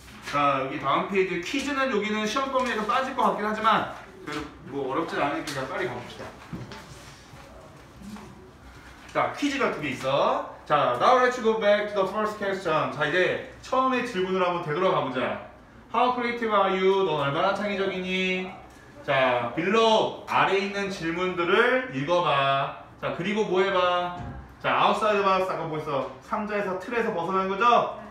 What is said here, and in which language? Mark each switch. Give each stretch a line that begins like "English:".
Korean: 자, 여기 다음 페이지 퀴즈는 여기는 시험 범위에서 빠질 것 같긴 하지만 그래도 뭐 어렵지 않으니까 빨리 가봅시다. 자, 퀴즈가 두 개 있어.
English: 자, now let's go back to the first question.
Korean: 자, 이제 처음에 질문을 한번 되돌아가 보자.
English: How creative are you?
Korean: 넌 얼마나 창의적이니? 자, 빌로 아래 있는 질문들을 읽어봐. 자, 그리고 뭐 해봐? 자,
English: outside box
Korean: 아까 뭐였어? 상자에서 틀에서 벗어난 거죠?